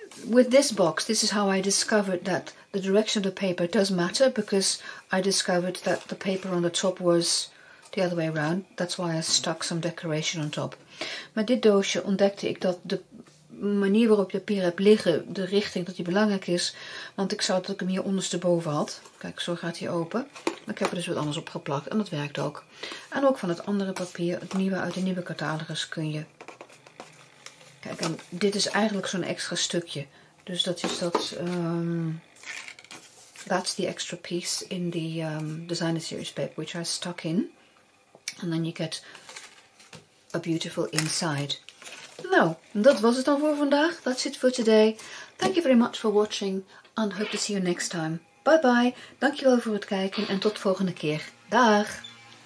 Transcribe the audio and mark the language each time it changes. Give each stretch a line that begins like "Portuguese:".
English: With this box, this is how I discovered that the direction of the paper does matter, because I discovered that the paper on the top was the other way around. That's why I stuck some decoration on top.
Dutch: Met dit doosje ontdekte ik dat de manier waarop je papier hebt liggen, de richting dat die belangrijk is, want ik zou dat ik hem hier ondersteboven had. Kijk, zo gaat hij open. Maar ik heb er dus wat anders op geplakt en dat werkt ook. En ook van het andere papier, het nieuwe uit de nieuwe catalogus, kun je. Kijk, en dit is eigenlijk zo'n extra stukje. Dus dat is dat.
English: That's the extra piece in the designer series paper which I stuck in. And then you get a beautiful inside.
Dutch: Nou, dat was het dan voor vandaag.
English: That's it for today. Thank you very much for watching and hope to see you next time. Bye bye.
Dutch: Dankjewel voor het kijken en tot de volgende keer. Dag!